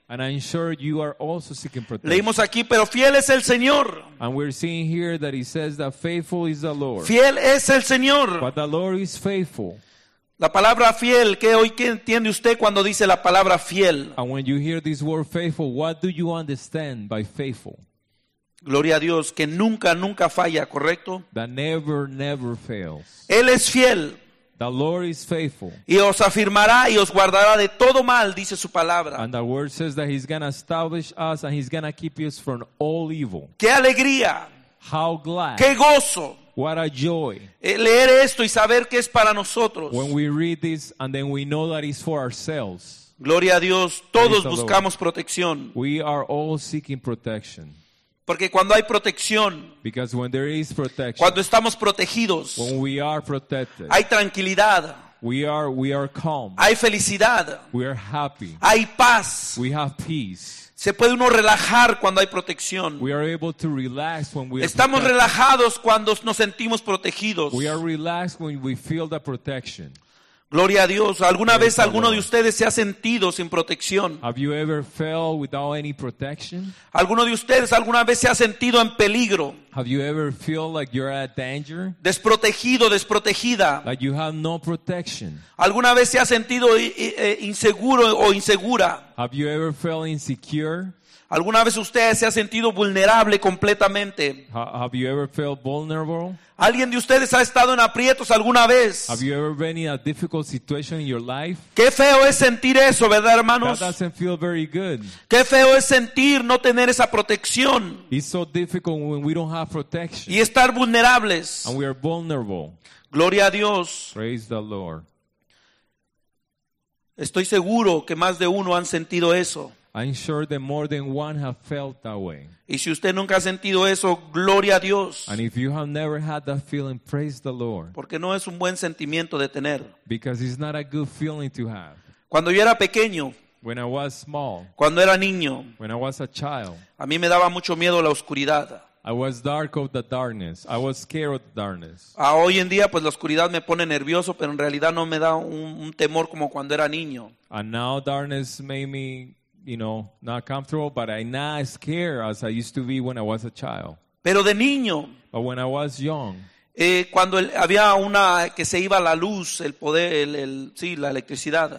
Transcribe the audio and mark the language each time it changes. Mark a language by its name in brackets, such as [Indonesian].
[English] And I'm sure you are also seeking protection. [Spanish] Leímos aquí, pero fiel es el Señor. [English] And we're seeing here that he says that faithful is the Lord. [Spanish] Fiel es el Señor. [English] But the Lord is faithful. [Spanish] La palabra fiel, ¿qué hoy qué entiende usted cuando dice la palabra fiel? [English] And when you hear this word faithful, what do you understand by faithful? [Spanish] Gloria a Dios, que nunca, nunca falla, ¿correcto? [English] That never, never fails. [Spanish] Él es fiel. [English] The Lord is faithful. [Spanish] Y os afirmará y os guardará de todo mal, dice su palabra. [English] And the word says that he's going to establish us and he's going to keep us from all evil. [Spanish] ¡Qué alegría! [English] How glad! [Spanish] ¡Qué gozo! [English] What a joy. [Spanish] Leer esto y saber que es para nosotros. [English] When we read this and then we know that it's for ourselves. [Spanish] Gloria a Dios, todos buscamos protección. [English] We are all seeking protection. [Spanish] Porque cuando hay protección, [English] because when there is protection, [Spanish] cuando estamos protegidos, [English] when we are protected, [Spanish] hay tranquilidad. [English] We are calm. [Spanish] Hay felicidad. [English] We are happy. [Spanish] Hay paz. [English] We have peace. [Spanish] Se puede uno relajar cuando hay protección. [English] We are able to relax when we [Spanish] estamos [English] are [Spanish] relajados cuando nos sentimos protegidos. [English] We are relaxed when we feel the protection. [Spanish] Gloria a Dios. ¿Alguna [English] praise [Spanish] vez alguno [English] Lord [Spanish] de ustedes se ha sentido sin protección? [English] Have you ever felt without any protection? [Spanish] ¿Alguno de ustedes alguna vez se ha sentido en peligro? [English] Have you ever feel like you're at danger? [Spanish] Desprotegido, desprotegida. [English] Like you have no protection. [Spanish] ¿Alguna vez se ha sentido inseguro o insegura? [English] Have you ever felt insecure? [Spanish] ¿Alguna vez usted se ha sentido vulnerable completamente? [English] Have you ever felt vulnerable? [Spanish] ¿Alguien de ustedes ha estado en aprietos alguna vez? [English] Have you ever been in a difficult situation in your life? [Spanish] Qué feo es sentir eso, ¿verdad, hermanos? [English] That doesn't feel very good. [Spanish] Qué feo es sentir no tener esa protección. [English] It's so difficult when we don't have protection. [Spanish] Y estar vulnerables. [English] And we are vulnerable. [Spanish] Gloria a Dios. [English] Praise the Lord. [Spanish] Estoy seguro que más de uno han sentido eso. [English] I'm sure that more than one have felt that way. [Spanish] Y si usted nunca ha sentido eso, gloria a Dios. [English] And if you have never had that feeling, praise the Lord. [Spanish] Porque no es un buen sentimiento de tener. [English] Because it's not a good feeling to have. [Spanish] Cuando yo era pequeño. [English] When I was small. [Spanish] Cuando era niño. [English] When I was a child. [Spanish] A mí me daba mucho miedo la oscuridad. [English] I was dark of the darkness. I was scared of the darkness. [Spanish] Hoy en día, pues la oscuridad me pone nervioso, pero en realidad no me da un temor como cuando era niño. [English] And now darkness made me, you know, not comfortable, but I'm not scared as I used to be when I was a child. [Spanish] Pero de niño. [English] But when I was young. [Spanish] Cuando había una que se iba la luz, el poder, la electricidad.